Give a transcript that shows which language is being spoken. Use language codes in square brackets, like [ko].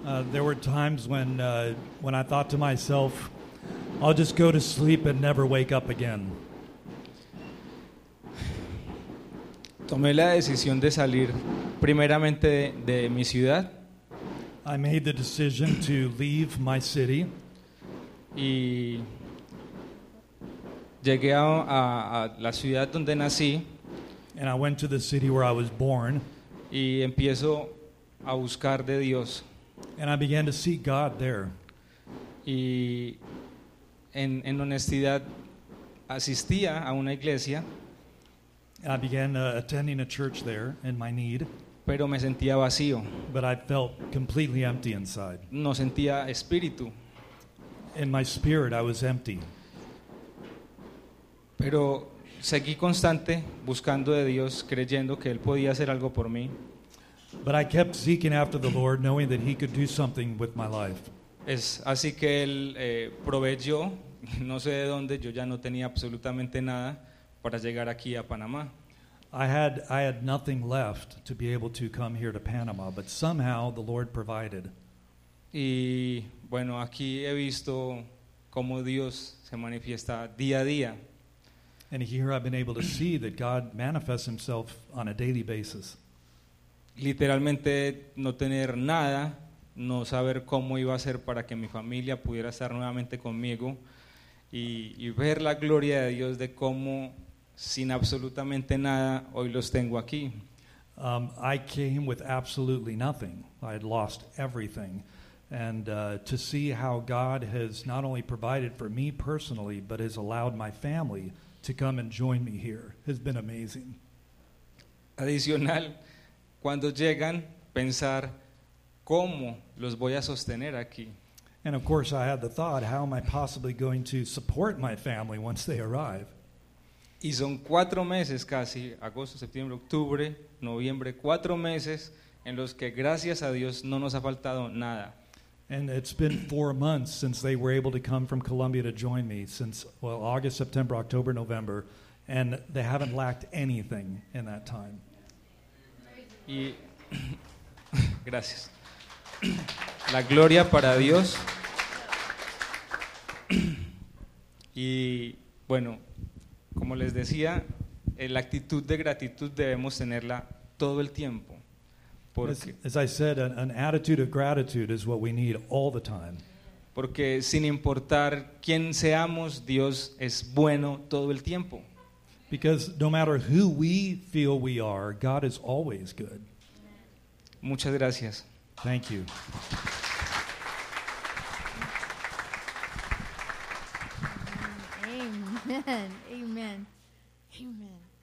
[en] There were times when I thought to myself, I'll just go to sleep and never wake up again. [es] Tomé la decisión de salir primeramente de mi ciudad. [en] I made the decision to leave my city. [es] Y llegué a la ciudad donde nací. [en] And I went to the city where I was born. [es] Y empiezo a buscar de Dios. [en] And I began to seek God there. [es] Y en honestidad asistía a una iglesia. [en] And I began attending a church there in my need. [es] Pero me sentía vacío. [en] But I felt completely empty inside. [es] No sentía espíritu. [en] In my spirit, I was empty. [es] Pero seguí constante buscando de Dios, creyendo que Él podía hacer algo por mí. [en] But I kept seeking after the Lord, knowing that He could do something with my life. [es] Es así que Él proveyó no sé de dónde, yo ya no tenía absolutamente nada para llegar aquí a Panamá. [en] I had nothing left to be able to come here to Panama, but somehow the Lord provided. [es] Y bueno, aquí he visto cómo Dios se manifiesta día a día. [en] And here I've been able to see that God manifests himself on a daily basis. [es] Literalmente no tener nada, no saber cómo iba a ser para que mi familia pudiera estar nuevamente conmigo y ver la gloria de Dios de cómo sin absolutamente nada hoy los tengo aquí. [en] I came with absolutely nothing. I had lost everything. And to see how God has not only provided for me personally, but has allowed my family to come and join me here has been amazing. [es] Adicional, cuando llegan, pensar cómo los voy a sostener aquí. [en] And of course, I had the thought, how am I possibly going to support my family once they arrive? [es] Y son 4 meses casi, agosto, septiembre, octubre, noviembre, 4 meses en los que gracias a Dios no nos ha faltado nada. [en] And it's been 4 months since they were able to come from Colombia to join me, since, well, August, September, October, November, and they haven't lacked anything in that time. [es] Y, gracias. La gloria para Dios. Y, bueno, como les decía, la actitud de gratitud debemos tenerla todo el tiempo. [en] As I said, an attitude of gratitude is what we need all the time. [es] Porque sin importar quién seamos, Dios es bueno todo el tiempo. [en] Because no matter who we feel we are, God is always good. [es] Muchas gracias. [en] Thank you. Amen. Amen. Amen.